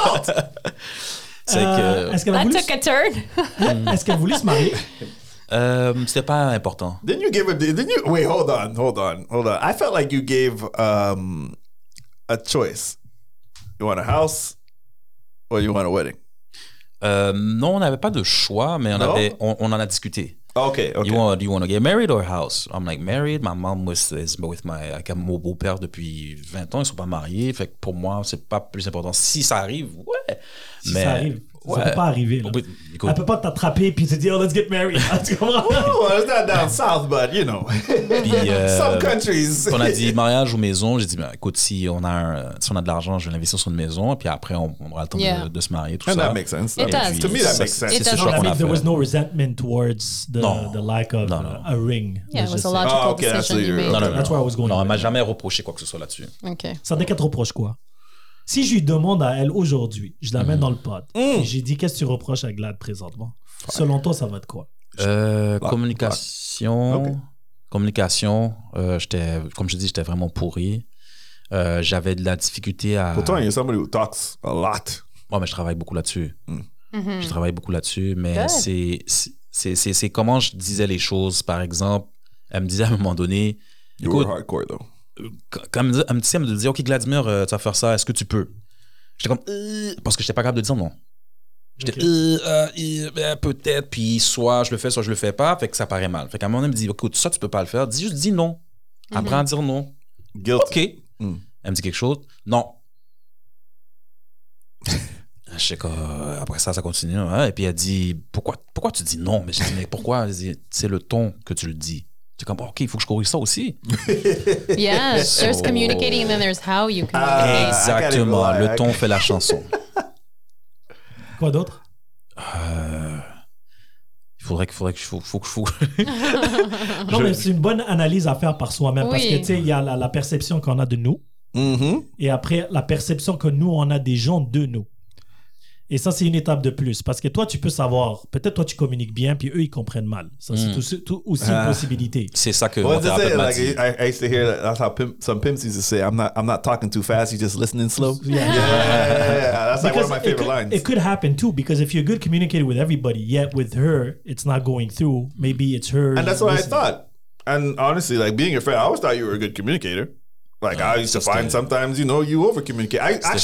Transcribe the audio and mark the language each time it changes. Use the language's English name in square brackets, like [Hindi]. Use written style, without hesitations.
[English] That took a turn. [French] Est-ce qu'elle voulait se marier? C'était pas important. [English] Hold on. I felt like you gave a choice. You want a house or you want a wedding? [French] Non, on n'avait pas de choix, mais on en a discuté. [English] Okay, okay. Do you want to get married or house? I'm like, married. My mom was with my, like, [French] mon beau-père depuis 20 ans. Ils sont pas mariés. Fait que pour moi, c'est pas plus important. Si ça arrive, ouais. Ça peut pas arriver. Elle peut pas t'attraper puis te dire, [English] oh, let's get married. [French] Tu comprends? It's not down south, but you know. Puis, [English] some countries. [French] On a dit mariage ou maison. J'ai dit, bah, écoute, si on a de l'argent, je vais l'investir sur une maison. Puis après, on aura le temps de se marier. Tout [English] and [French] ça. [English] That makes sense. It does. To me, that makes sense. It's sure. Like there was no resentment towards the lack of a ring. Yeah, it was a logical decision. Okay, that's you made. No. That's where I was going. [French] Non, elle m'a jamais reproché quoi que ce soit là-dessus. OK. Ça dès qu'elle te reproche quoi? Si je lui demande à elle aujourd'hui, je la mets dans le pod, j'ai dit, qu'est-ce que tu reproches à Glad présentement? Fine. Selon toi, ça va être quoi? Communication. Okay. Communication. Comme je dis, j'étais vraiment pourri. J'avais de la difficulté à... Pourtant, il y a [English] somebody who talks a lot. [French] Ouais, mais je travaille beaucoup là-dessus. Mm-hmm. Je travaille beaucoup là-dessus, mais c'est comment je disais les choses. Par exemple, elle me disait à un moment donné... [English] You were hardcore, though. [French] Elle me dit, OK, Gladimir, tu vas faire ça, est-ce que tu peux? J'étais comme, parce que j'étais pas capable de dire non. J'étais, peut-être, puis soit je le fais, soit je le fais pas, fait que ça paraît mal. Fait qu'à un moment, elle me dit, écoute, ça, tu peux pas le faire, dis non. Mm-hmm. Apprends à dire non. [English] Guilty. [French] OK. Mm. Elle me dit quelque chose, non. Je sais qu'après ça, ça continue. Hein? Et puis elle dit, pourquoi tu dis non? Mais j'ai dit, mais pourquoi? Elle dit, c'est le ton que tu le dis. C'est comme, OK, il faut que je corrige ça aussi. [English] Yeah, so, there's communicating and then there's how you communicate. [French] Exactement, le ton fait la chanson. Quoi d'autre? Il faut que je... Non, mais c'est une bonne analyse à faire par soi-même. Oui. Parce que, tu sais, il y a la perception qu'on a de nous. Mm-hmm. Et après, la perception que nous, on a des gens de nous. Et ça, c'est une étape de plus. Parce que toi, tu peux savoir. Peut-être toi, tu communiques bien, puis eux, ils comprennent mal. Ça, c'est tout aussi une possibilité. C'est ça que mon thérapeute m'a dit. [English] I used to hear that. That's how some pimps used to say, I'm not talking too fast, you're just listening slow. Yeah. That's like one of my favorite lines. It could happen too, because if you're a good communicator with everybody, yet with her, it's not going through. Maybe it's her. And that's what I thought. And honestly, like being your friend, I always thought you were a good communicator. Like, I used to find sometimes, you know, you over-communicate.